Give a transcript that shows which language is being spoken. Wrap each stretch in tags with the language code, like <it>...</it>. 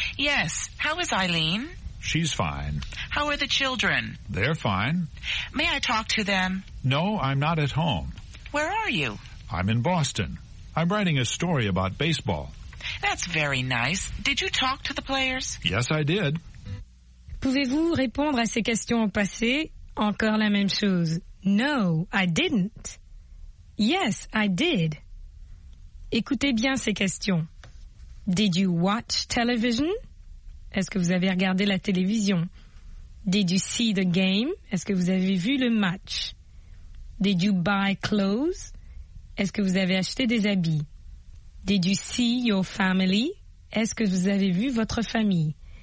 <en>Yes. How is Eileen? She's fine. How are the children? They're fine. May I talk to them? No, I'm not at home. Where are you? I'm in Boston. I'm writing a story about baseball. That's very nice. Did you talk to the players? Yes, I did.</en> <fr>Pouvez-vous répondre à ces questions au passé? Encore la même chose.</fr> <en>No, I didn't. Yes, I did.</en> <fr>Écoutez bien ces questions.</fr> <en>Did you watch television?</en> <fr>Est-ce que vous avez regardé la télévision?</fr> <en>Did you see the game?</en> <fr>Est-ce que vous avez vu le match?</fr> <en>Did you buy clothes?</en> <fr>Est-ce que vous avez acheté des habits?</fr> <en>Did you see your family?</en> <fr>Est-ce que vous avez vu votre famille?</fr>